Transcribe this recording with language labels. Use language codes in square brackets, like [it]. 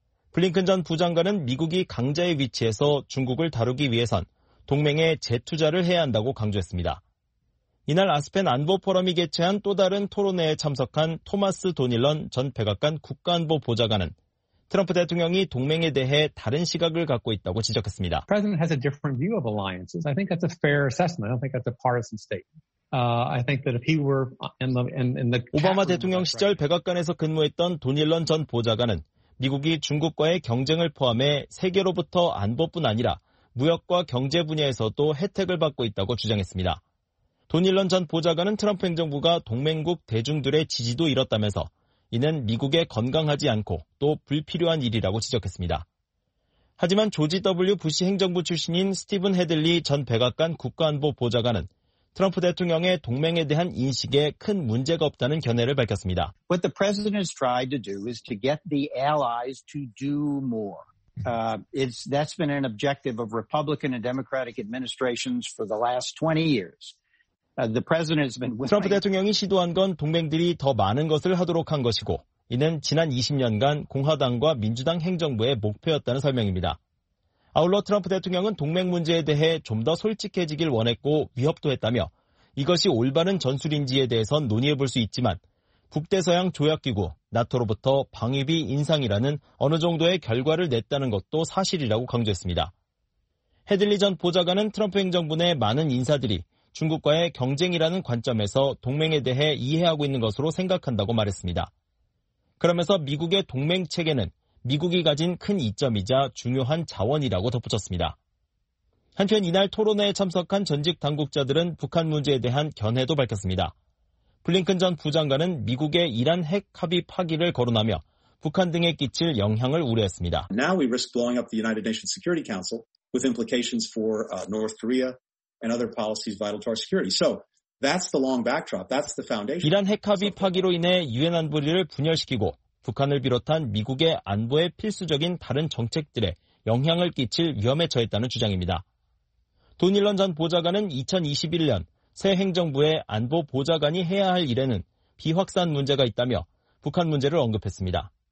[ko] 블링컨 전 부장관은 미국이 강자의 위치에서 중국을 다루기 위해선 동맹에 재투자를 해야 한다고 강조했습니다. 이날 아스펜 안보 포럼이 개최한 또 다른 토론회에 참석한 토마스 도닐런 전 백악관 국가안보 보좌관은 트럼프 대통령이 동맹에 대해 다른 시각을 갖고 있다고 지적했습니다. [en] President has a different view of alliances. I think that's a fair assessment. I don't think that's a partisan statement. I think that if he were in the [ko] 오바마 대통령 시절 백악관에서 근무했던 도닐런 전 보좌관은 미국이 중국과의 경쟁을 포함해 세계로부터 안보뿐 아니라 무역과 경제 분야에서도 혜택을 받고 있다고 주장했습니다. 도닐런 전 보좌관은 트럼프 행정부가 동맹국 대중들의 지지도 잃었다면서 이는 미국에 건강하지 않고 또 불필요한 일이라고 지적했습니다. 하지만 조지 W. 부시 행정부 출신인 스티븐 헤들리 전 백악관 국가안보 보좌관은 트럼프 대통령의 동맹에 대한 인식에 큰 문제가 없다는 견해를 밝혔습니다. [en] What the president has tried to do is to get the allies to do more. That's been an objective of Republican and Democratic administrations for the last 20 years. [ko] 트럼프 대통령이 시도한 건 동맹들이 더 많은 것을 하도록 한 것이고 이는 지난 20년간 공화당과 민주당 행정부의 목표였다는 설명입니다. 아울러 트럼프 대통령은 동맹 문제에 대해 좀 더 솔직해지길 원했고 위협도 했다며 이것이 올바른 전술인지에 대해선 논의해볼 수 있지만 북대서양 조약기구, 나토로부터 방위비 인상이라는 어느 정도의 결과를 냈다는 것도 사실이라고 강조했습니다. 헤들리 전 보좌관은 트럼프 행정부 내 많은 인사들이 중국과의 경쟁이라는 관점에서 동맹에 대해 이해하고 있는 것으로 생각한다고 말했습니다. 그러면서 미국의 동맹 체계는 미국이 가진 큰 이점이자 중요한 자원이라고 덧붙였습니다. 한편 이날 토론회에 참석한 전직 당국자들은 북한 문제에 대한 견해도 밝혔습니다. 블링컨 전 부장관은 미국의 이란 핵 합의 파기를 거론하며 북한 등에 끼칠 영향을 우려했습니다. [en] Now we risk blowing up the United Nations Security Council with implications for North Korea and other policies vital to our security. So that's the long backdrop. That's the foundation. [ko] 이란 핵 합의 파기로 인해 유엔 안보리를 분열시키고 북한을 비롯한 미국의 안보에 필수적인 다른 정책들에 영향을 끼칠 위험에 처했다는 주장입니다. 도닐런 전 보좌관은 2021년 새 행정부의 안보 보좌관이 해야 할 일에는 비확산 문제가 있다며 북한 문제를 언급했습니다.